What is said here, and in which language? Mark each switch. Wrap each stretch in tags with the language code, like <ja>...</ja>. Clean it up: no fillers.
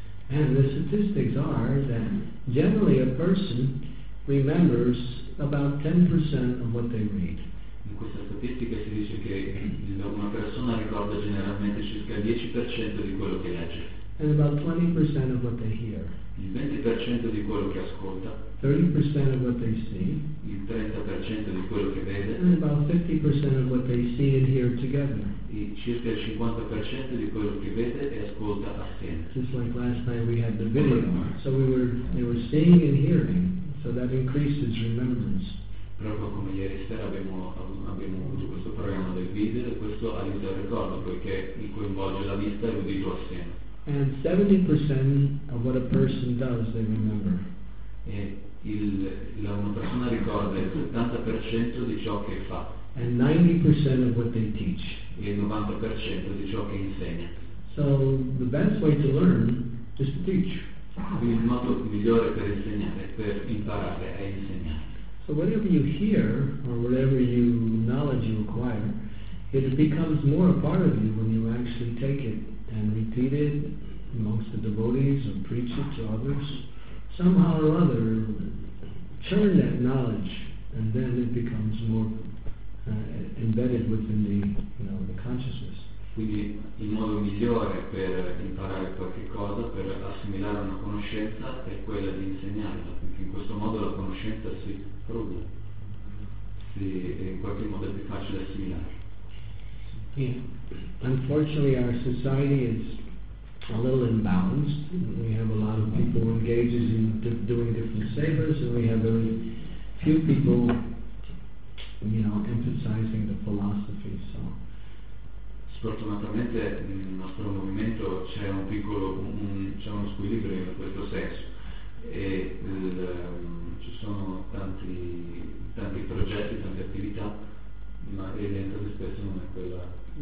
<en>And the statistics are that generally a person remembers about 10% of what they read.</en> <it>In questa statistica si dice che una persona ricorda generalmente circa il 10% di quello che legge.</it> <en>And about 20% of what they hear.</en> <it>Il 20% di quello che ascolta.</it> <en>30% of what they see.</en> <it>Il 30% di quello che vede.</it> <en>And about 50% of what they see and hear together.</en> <it>E circa il 50% di quello che vede e ascolta assieme.</it> <en>Just like last night we had the video. So they were seeing and hearing. So that increases remembrance.</en> <it>Proprio come ieri sera abbiamo avuto questo programma del video e questo aiuta il ricordo poiché coinvolge la vista e l'udito assieme.</it> <en>And 70% of what a person does they remember.</en> <it>E una persona ricorda il 70% di ciò che fa.</it> <en>And 90% of what they teach.</en> <it>E il 90% di ciò che insegna.</it> <en>So the best way to learn is to teach.</en> <it>Quindi il modo migliore per insegnare, per imparare, è insegnare.</it> <en>So whatever you hear or whatever knowledge you acquire, it becomes more a part of you when you actually take it and repeat it amongst the devotees or preach it to others. Somehow or other, churn that knowledge and then it becomes more embedded within the consciousness.</en> <it>Quindi il modo migliore per imparare qualche cosa, per assimilare una conoscenza, è quella di insegnarla, perché in questo modo la conoscenza si produce, si in qualche modo è più facile assimilare.</it> <en>Yeah. Unfortunately our society is a little imbalanced. We have a lot of people engaged in doing different sevas and we have very few people emphasizing the philosophy, so</en> <it>sfortunatamente nel nostro movimento c'è un piccolo c'è uno squilibrio in questo senso, e ci sono tanti progetti, tante attività, ma l'evento di spesso non è quella.</it>